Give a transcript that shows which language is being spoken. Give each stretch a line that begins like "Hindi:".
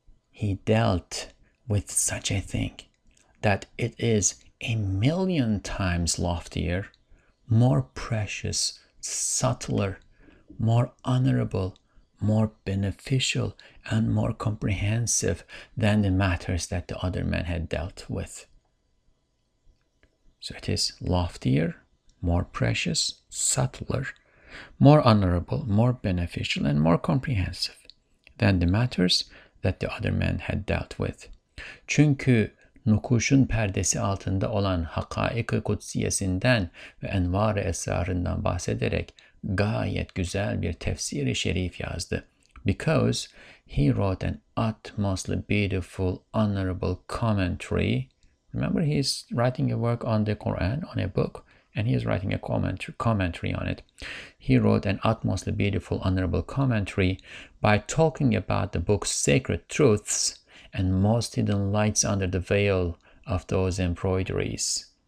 English: He dealt with such a thing that it is a million times loftier, more precious, subtler, more honorable, more beneficial, and more comprehensive than the matters that the other man had dealt with. So it is loftier, more precious, subtler, more honorable, more beneficial, and more comprehensive than the matters that the other men had dealt with.
Turkish: Çünkü nukuşun perdesi altında olan hakaik-i kutsiyesinden ve envar-ı esrarından bahsederek gayet güzel bir tefsir-i şerif yazdı.
English: Because he wrote an utmostly beautiful, honorable commentary. Remember, he's writing a work on the Quran, on a book. And he is writing a commentary on it. He wrote an utmostly beautiful, honorable commentary by talking about the book's sacred truths and most hidden lights under the veil of those embroideries.